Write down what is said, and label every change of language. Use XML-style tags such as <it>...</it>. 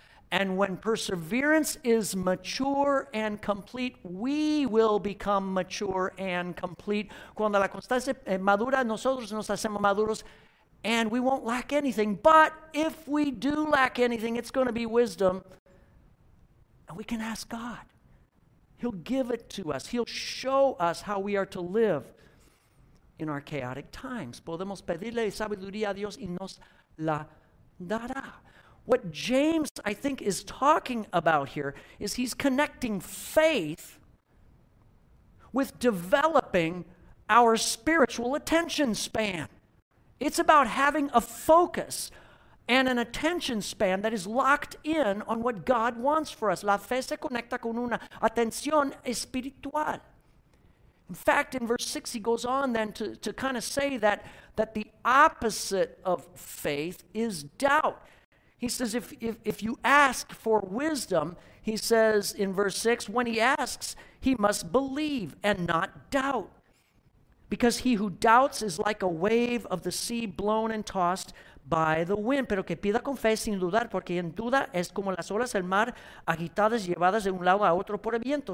<en>And when perseverance is mature and complete, we will become mature and complete.</en> <es>Cuando la constancia madura, nosotros nos hacemos maduros.</es> <en>And we won't lack anything. But if we do lack anything, it's going to be wisdom. And we can ask God. He'll give it to us. He'll show us how we are to live in our chaotic times.</en> <es>Podemos pedirle sabiduría a Dios y nos la dará.</es> <en>What James, I think, is talking about here is he's connecting faith with developing our spiritual attention span. It's about having a focus and an attention span that is locked in on what God wants for us.</en> <es>La fe se conecta con una atención espiritual.</es> <en>In fact, in verse 6, he goes on then to kind of say that the opposite of faith is doubt. He says, if you ask for wisdom, he says in verse 6, when he asks, he must believe and not doubt. Because he who doubts is like a wave of the sea blown and tossed by the wind.</en> <es>Pero que pida con fe sin dudar, porque en duda es como las olas del mar agitadas, llevadas de un lado a otro por el viento.</es>